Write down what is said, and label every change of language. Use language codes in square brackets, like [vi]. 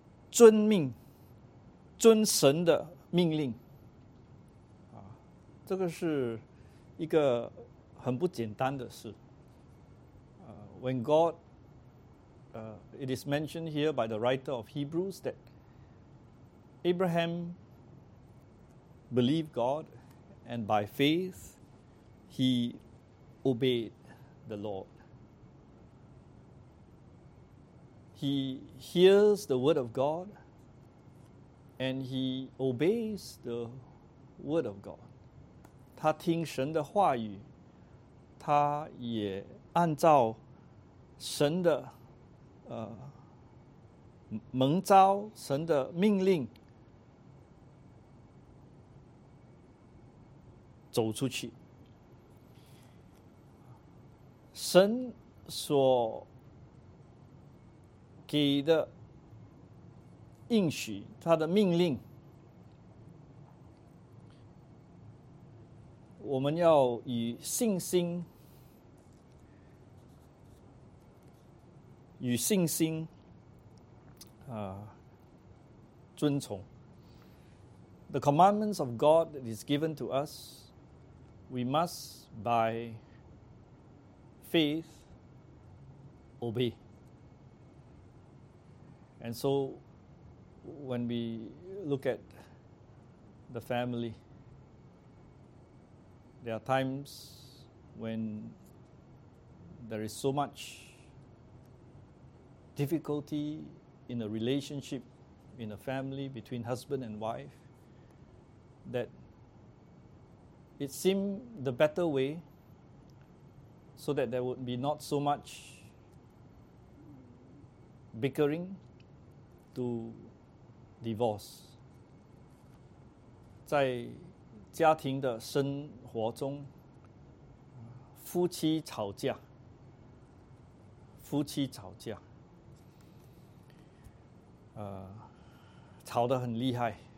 [zh] 遵命遵神的命令这个是一个很不简单的事。 [en] When God it is mentioned here by the writer of Hebrews that Abraham believed God, and by faith he obeyed the Lord. He hears the word of God, and he obeys the word of God. [zh] 他听神的话语，他也按照神的蒙召神的命令走出去。神所给的应许，他的命令，我们要以信心，与信心遵从。 [en] The commandments of God that is given to us, we must by faith obey. And so when we look at the family, there are times when there is so much difficulty in a relationship, in a family, between husband and wife, that it seemed the better way, so that there would be not so much bickering, to divorce. [zh] 在家庭的生活中，夫妻吵架，夫妻吵架吵得很厉害，